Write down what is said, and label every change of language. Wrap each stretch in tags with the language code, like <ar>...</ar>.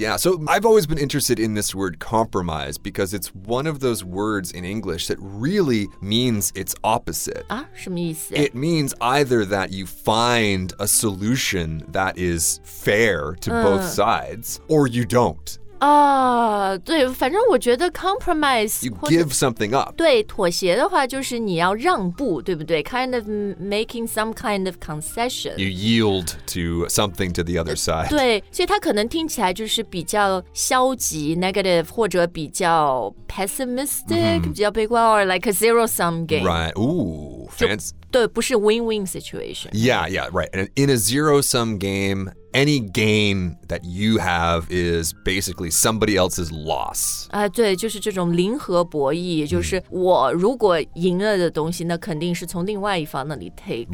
<en>Yeah, so I've always been interested in this word compromise because it's one of those words in English that really means its opposite.</en> <zh>啊，什么意思？</zh> <en>It means either that you find a solution that is fair to both sides or you don't.</en> <zh>啊，对，反正我觉得 compromise</zh> <en>You give something up.</en> <zh>对，妥协的话就是你要让步，对不对？</zh> <en>Kind of making some kind of concession. You yield to something to the other side.</en> <zh>对，所以它可能听起来就是比较消极 negative 或者比较</zh> <en>pessimistic、</en> <zh>mm-hmm. 比较悲观</zh> <en>or like a zero sum game. Right, ooh, fancy.</en> <zh>对，不是</zh> <en>win-win situation. Yeah, yeah, right. And in a zero sum gameAny gain that you have is basically somebody else's loss.</en> <zh>啊、对，就是这种零和博弈，就是我如果赢了的东西，那肯定是从另外一方那里 take.</zh>